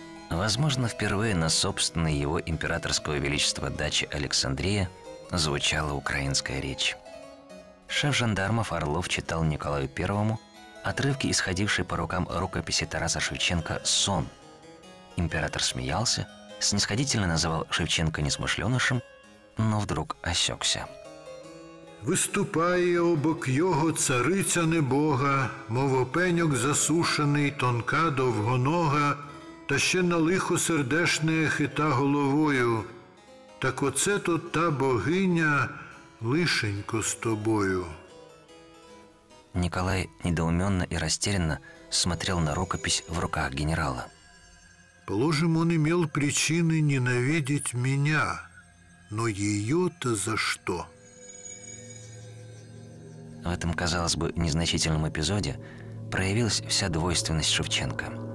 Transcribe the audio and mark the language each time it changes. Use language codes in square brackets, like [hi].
[ru] Возможно, впервые на собственной его императорского величества даче Александрия звучала украинская речь. Шеф жандармов Орлов читал Николаю I отрывки, исходившие по рукам рукописи Тараса Шевченко «Сон». Император смеялся, снисходительно называл Шевченко несмышленышем, но вдруг осекся. [uk] «Виступає обок його цариця небога, мово пеньок засушений, тонка довгонога, та ще на лихо сердешне хита головою. Так оце то та богиня лишенько з тобою». [ru] Николай недоуменно и растерянно смотрел на рукопись в руках генерала. «Положим, он имел причины ненавидеть меня, но ее-то за что?» В этом, казалось бы, незначительном эпизоде проявилась вся двойственность Шевченко.